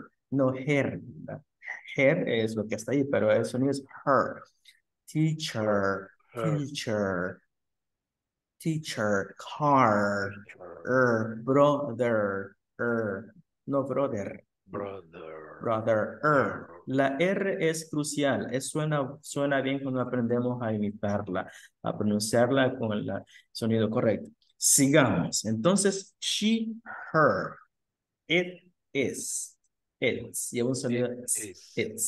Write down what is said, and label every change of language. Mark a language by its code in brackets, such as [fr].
[es] no her, ¿verdad? Her es lo que está ahí, pero el sonido es her. [en] Teacher, teacher, teacher, car, brother, no brother. Brother. [es] Brother. La R es crucial. Es, suena bien cuando aprendemos a imitarla, a pronunciarla con el sonido correcto. Sigamos. Entonces, she, her. [en] It is. It's. [es] Lleva un sonido. [en] It